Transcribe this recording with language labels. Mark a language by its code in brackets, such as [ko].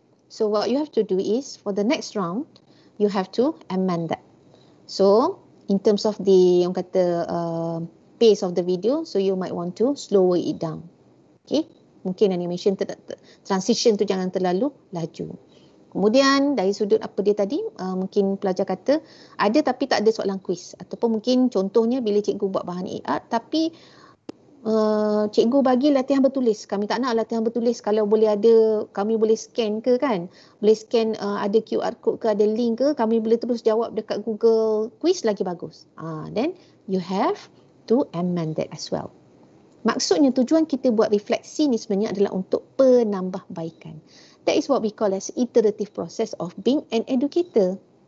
[en] So what you have to do is for the next round you have to amend that. So in terms of the [ms] yang kata [en] pace of the video, so you might want to slower it down. [ms] Okay, mungkin animation transition tu jangan terlalu laju. Kemudian dari sudut apa dia tadi, mungkin pelajar kata ada tapi tak ada soalan kuis. Ataupun mungkin contohnya bila cikgu buat bahan AR tapi cikgu bagi latihan bertulis. Kami tak nak latihan bertulis, kalau boleh ada kami boleh scan ke kan. Boleh scan ada QR code ke, ada link ke, kami boleh terus jawab dekat Google quiz lagi bagus. [en] Then you have to amend that as well. [ms] Maksudnya tujuan kita buat refleksi ni sebenarnya adalah untuk penambahbaikan. [en] That is what we call as iterative process of being an educator.